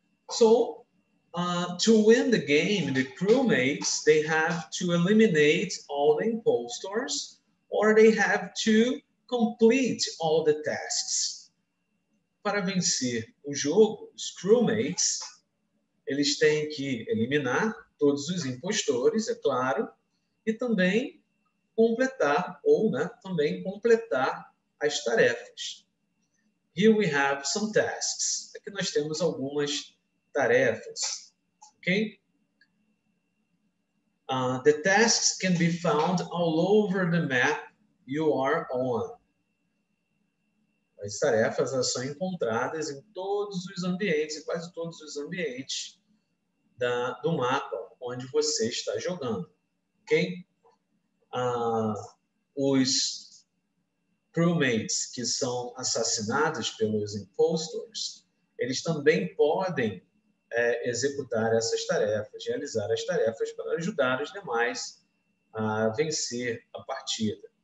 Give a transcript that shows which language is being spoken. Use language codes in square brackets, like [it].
[en] So, to win the game, the crewmates, they have to eliminate all the impostors or they have to complete all the tasks. [pt] Para vencer o jogo, os crewmates, eles têm que eliminar todos os impostores, é claro, e também completar, ou né, também completar as tarefas. [en] Here we have some tasks. [pt] Aqui nós temos algumas tarefas, ok? [en] The tasks can be found all over the map you are on. [pt] As tarefas são encontradas em todos os ambientes, em quase todos os ambientes do mapa onde você está jogando, ok? Os crewmates que são assassinados pelos impostors, eles também podem executar essas tarefas, realizar as tarefas para ajudar os demais a vencer a partida.